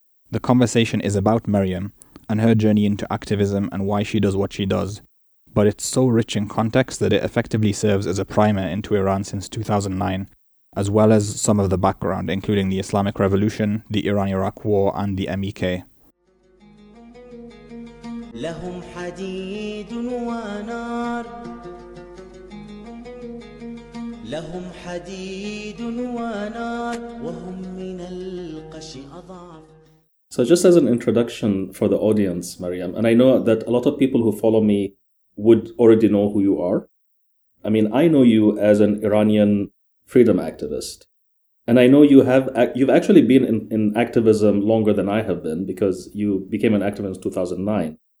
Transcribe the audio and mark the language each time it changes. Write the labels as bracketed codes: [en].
[en] The conversation is about Maryam and her journey into activism and why she does what she does, but it's so rich in context that it effectively serves as a primer into Iran since 2009, as well as some of the background, including the Islamic Revolution, the Iran-Iraq War, and the MEK. [ar] لهم حديد ونار لهم حديد ونار وهم من القش أضعف. [en] So just as an introduction for the audience, Maryam, and I know that a lot of people who follow me would already know who you are. I mean, I know you as an Iranian freedom activist. And I know you've actually been in activism longer than I have been, because you became an activist in 2009.